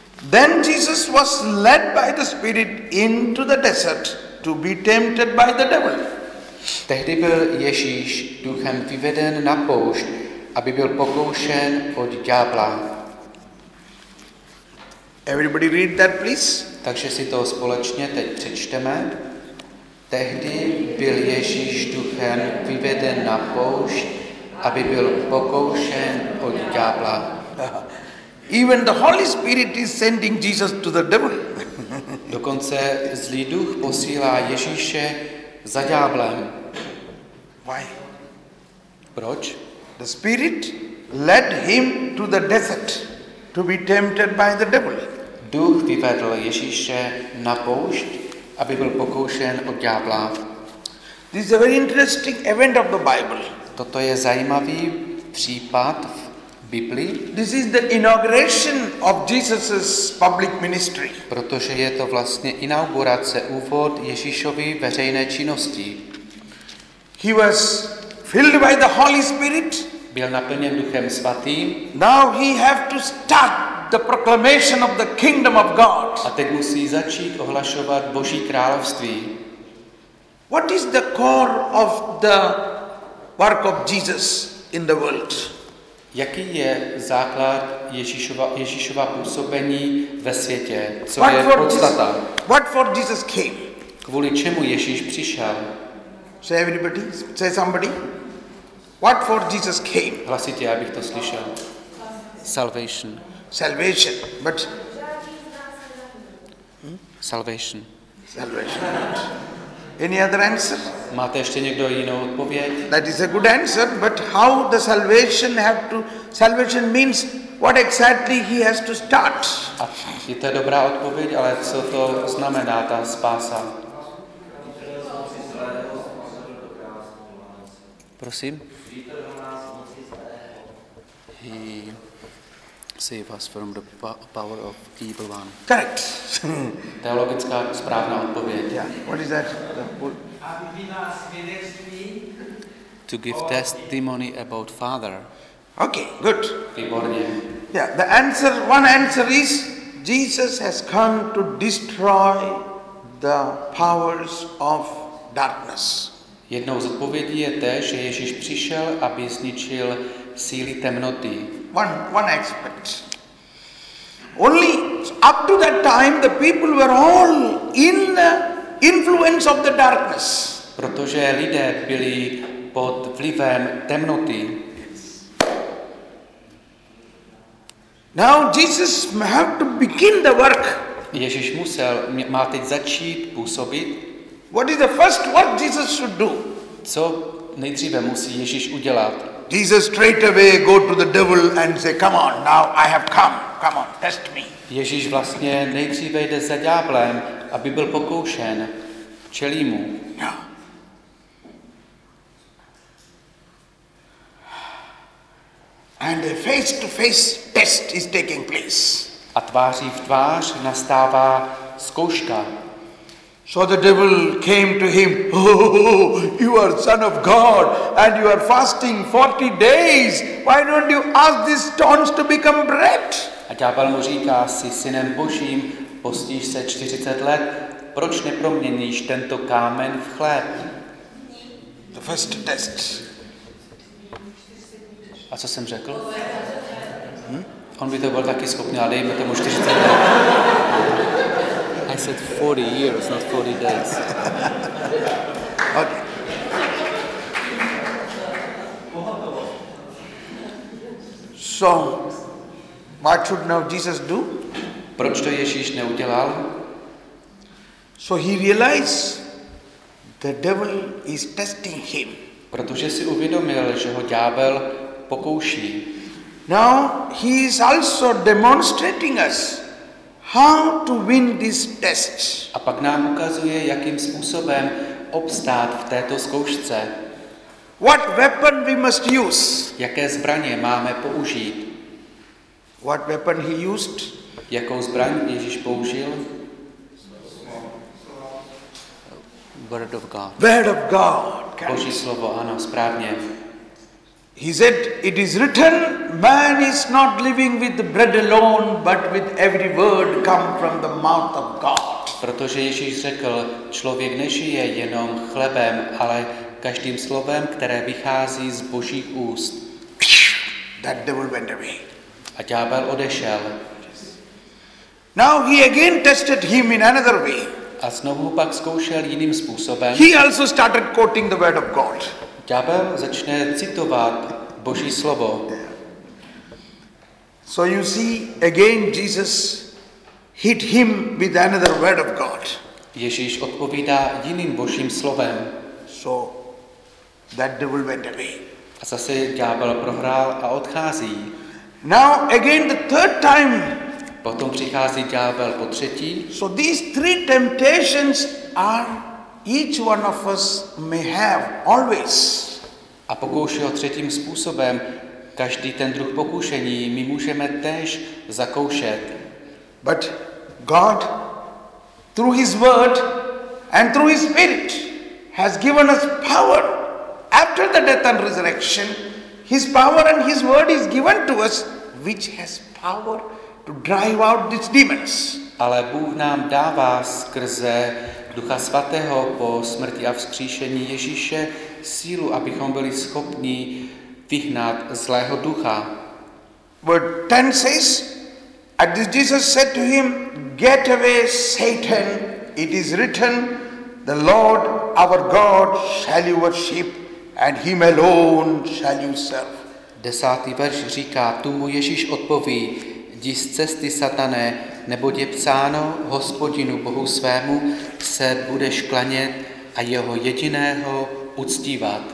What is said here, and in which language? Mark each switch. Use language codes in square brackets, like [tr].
[en] Then Jesus was led by the Spirit into the desert to be tempted by the devil. [cs] Tehdy byl Ježíš duchem vyveden na poušť, aby byl pokoušen od ďábla. [en] Everybody read that please. [cs] Takže si to společně teď přečteme. Tehdy byl Ježíš duchem vyveden na poušť, aby byl pokoušen od ďábla. [en] Even the Holy Spirit is sending Jesus to the devil. [cs] Dokonce zlý duch posílá Ježíše za ďáblem. [en] Why? [cs] Proč? [en] The Spirit led him to the desert to be tempted by the devil. [cs] Duch vyvedl Ježíše na poušť, aby byl pokoušen od ďábla. [en] This is a very interesting event of the Bible. [cs] Toto je zajímavý případ v Biblii. [en] This is the inauguration of Jesus's public ministry. [cs] Protože je to vlastně inaugurace, úvod Ježíšovy veřejné činnosti. [en] He was filled by the Holy Spirit. [cs] Byl naplněn Duchem Svatým. [en] Now he have to start the proclamation of the kingdom of God. [cs] A teď musí začít ohlašovat Boží království. [en] What is the core of the work of Jesus in the world? [cs] Jaký je základ Ježíšova působení ve světě? Co [en] what [cs] je podstata? [en] What for Jesus came? [cs] Kvůli čemu Ježíš přišel? [en] Say everybody, say somebody. What for Jesus came? [cs] Hlasitě, abych to slyšel. [en] Salvation. Salvation, but salvation. Salvation. Any other answer? [cs] Máte ještě někdo jinou odpověď? [en] That is a good answer, but how the salvation have to? Salvation means what exactly he has to start? [cs] Je to dobrá odpověď, ale co to znamená ta spása? Prosím. [en] Save us from the power of evil one. Correct. [cs] Teologická správná odpověď. [en] Yeah. What is that? To give testimony about Father. Okay, good. [cs] Výborně. [en] Yeah, the answer, one answer is Jesus has come to destroy the powers of darkness. [cs] Jednou z odpovědí je té, že Ježíš přišel, aby zničil síly temnoty. [en] One aspect. Only up to that time the people were all in the influence of the darkness. [cs] Protože lidé byli pod vlivem temnoty. [en] Now Jesus have to begin the work. [cs] Ježíš musel má teď začít působit. [en] What is the first work Jesus should do? [cs] Co nejdříve musí Ježíš udělat? [en] Jesus straight away go to the devil and say, come on, now I have come. Come on, test me. [cs] Ježíš vlastně nejdříve jde za ďáblem, aby byl pokoušen. Čelí mu. [en] And a face-to-face test is taking place. [cs] A tváří v tvář nastává zkouška. [en] So the devil came to him, oh, you are son of God and you are fasting 40 days. Why don't you ask these stones to become bread? [cs] A ďábel mu říká, jsi synem Božím, postíš se 40 let, proč neproměníš tento kámen v chléb? [en] The first test. [cs] A co jsem řekl? On by to byl taky schopný, ale dejme tomu 40 let. [en] I said 40 years, not 40 days. Okay. So, what should now Jesus do? [cs] Proč to Ježíš neudělal? [en] So he realized the devil is testing him. [cs] Protože si uvědomil, že ho ďábel pokouší. [en] Now he is also demonstrating us how to win this test. [cs] A pak nám ukazuje, jakým způsobem obstát v této zkoušce. [en] What weapon we must use? [cs] Jaké zbraně máme použít? [en] What weapon he used? [cs] Jakou zbraň Ježíš použil? [en] Word of God. Word of God. [cs] Boží slovo, ano, správně. [en] He said, it is written, man is not living with bread alone, but with every word come from the mouth of God. [cs] Protože Ježíš řekl, člověk nežije jenom chlebem, ale každým slovem, které vychází z Božích úst. [en] That devil went away. [cs] A ďábel odešel. [en] Now he again tested him in another way. [cs] A znovu pak zkoušel jiným způsobem. [en] He also started quoting the word of God. [cs] Ďábel začne citovat Boží slovo. [en] So you see, again Jesus hit him with another word of God. [cs] Ježíš odpovídá jiným Božím slovem. [en] So that devil went away. [cs] A zase ďábel prohrál a odchází. [en] Now again the third time. [cs] Potom přichází ďábel po třetí. [en] So these three temptations are each one of us may have always. [cs] A pokoušel třetím způsobem, každý ten druh pokušení my můžeme též zakoušet. [en] But God through his word and through his spirit has given us power after the death and resurrection. His power and his word is given to us which has power to drive out these demons. [cs] Ale Bůh nám dává skrze Ducha svatého po smrti a vzkříšení Ježíše sílu, abychom byli schopni vyhnat zlého ducha. [en] Verse 10 says, and Jesus said to him, get away Satan, it is written, the Lord our God shall you worship and him alone shall you serve. [cs] 10. verš říká, tu mu Ježíš odpoví, jdi z cesty satané, neboť je psáno, Hospodinu Bohu svému se budeš klanět a jeho jediného uctívat.